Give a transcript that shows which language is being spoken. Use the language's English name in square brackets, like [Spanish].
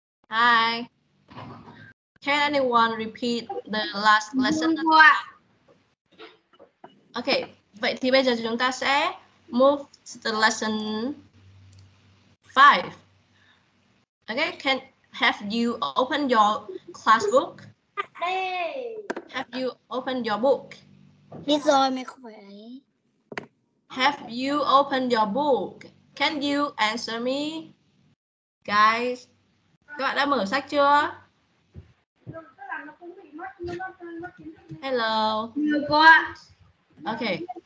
[English] Hi. Can anyone repeat the last lesson? [Vietnamese] Okay, vậy thì bây giờ chúng ta sẽ [English] move to the lesson 5. Okay, can have you open your class book? Have you opened your book? [Vietnamese] Biết rồi, mày không phải ấy. [English] Have you opened your book? Can you answer me? [Vietnamese] Guys, các bạn đã mở sách chưa? [English] Hello. Okay.